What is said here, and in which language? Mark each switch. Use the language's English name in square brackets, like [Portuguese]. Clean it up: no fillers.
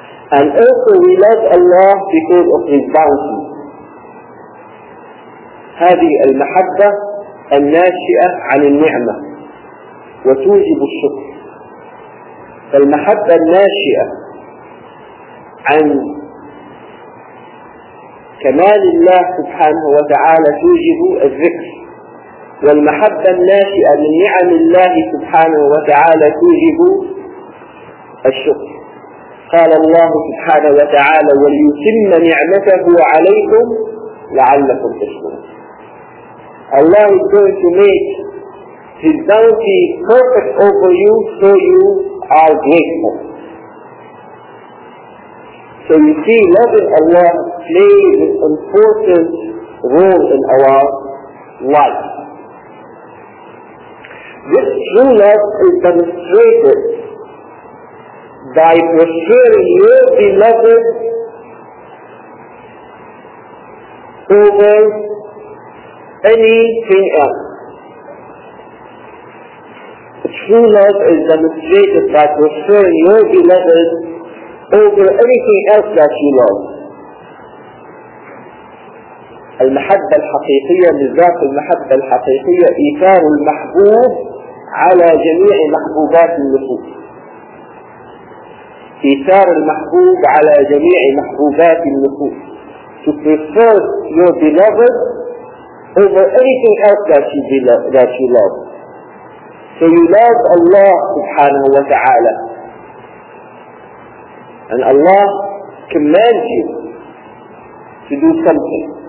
[English] And also we love Allah because of His bounty. [Arabic] هذه المحبة الناشئة عن النعمة وتوجب الشكر. المحبة الناشئة عن كمال الله سبحانه وتعالى توجب الذكر. والمحبة الناشئة من نعم الله سبحانه وتعالى توجب الشكر. قال الله سبحانه وتعالى وليتم نعمته عليكم لعلكم تشكرون. [English] Allah is going to make His bounty perfect over you so you are grateful. So you see, loving Allah plays an important role in our life. This true love is demonstrated by preferring your beloved over anything else. True love is demonstrated by preferring your beloved over anything else that you love. [Arabic] المحبة الحقيقية لذات المحبة الحقيقية إيثار المحبوب على جميع محبوبات النفوس. إيثار المحبوب على جميع محبوبات النفوس. [English] To prefer your beloved over anything else that you love. So you love Allah subhanahu wa ta'ala. And Allah commands you to do something.